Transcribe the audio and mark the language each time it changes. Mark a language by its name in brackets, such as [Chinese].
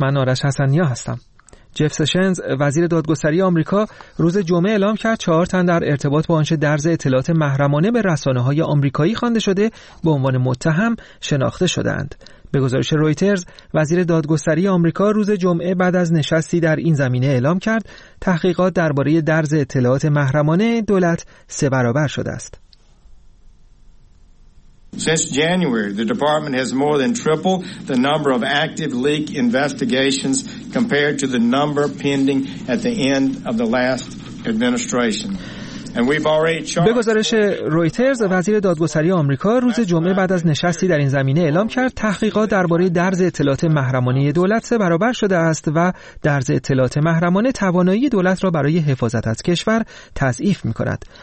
[Persian] من آرش حسنیا هستم. جف سشنز وزیر دادگستری آمریکا روز جمعه اعلام کرد 4 تن در ارتباط با آنچه درز اطلاعات محرمانه به رسانه‌های آمریکایی خوانده شده به عنوان متهم شناخته شدند. به گزارش رویترز وزیر دادگستری آمریکا روز جمعه بعد از نشستی در این زمینه اعلام کرد تحقیقات درباره درز اطلاعات محرمانه دولت 3 برابر شده است. [English] Since January, the department has more than tripled the number of active leak investigations compared to the number pending at the end of the last administration. [Persian] به گزارش رویترز وزیر دادگستری آمریکا روز جمعه بعد از نشستی در این زمینه اعلام کرد تحقیقات درباره درز اطلاعات محرمانه دولت 3 برابر شده است و درز اطلاعات محرمانه توانایی دولت را برای حفاظت از کشور تضعیف می‌کند.